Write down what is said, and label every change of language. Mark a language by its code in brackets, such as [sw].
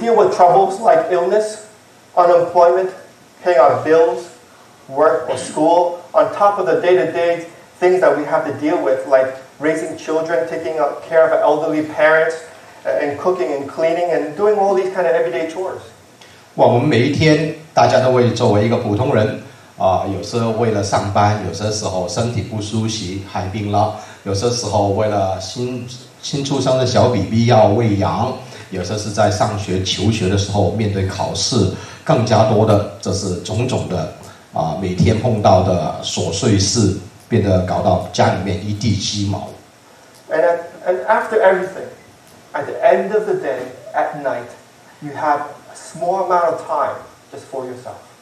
[en] deal with troubles like illness, unemployment, paying our bills, work or school, on top of the day-to-day things that we have to deal with, like raising children, taking care of elderly parents, and cooking and cleaning and doing all these kind of everyday chores. [zh] 我们每一天，大家都会作为一个普通人，有时为了上班，有些时候身体不舒服，寒病了，有些时候为了新出生的小 BB 要喂养，有些是在上学求学的时候面对考试，更加多的这是种种的每天碰到的琐碎事，变得搞到家里面一地鸡毛。 [en] And after everything, at the end of the day, at night, you have a small amount of time just for yourself.